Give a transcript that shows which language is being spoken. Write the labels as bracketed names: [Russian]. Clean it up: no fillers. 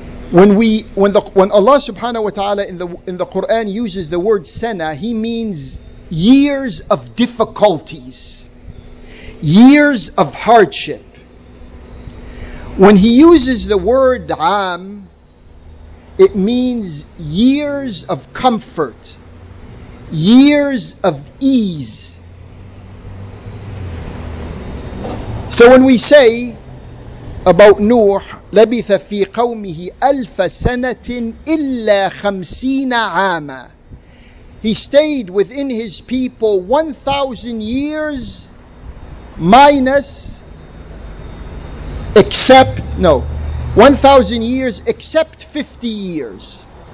[English] When Allah subhanahu wa ta'ala in the Quran uses the word sana, He means years of difficulties, years of hardship. When He uses the word am, it means years of comfort, years of ease. So when we say about Nuh, [Arabic] لبث في قومه ألف سنة إلا خمسين عاما. [English] He stayed within his people 1,000 years minus, except, no, 1,000 years except 50 years.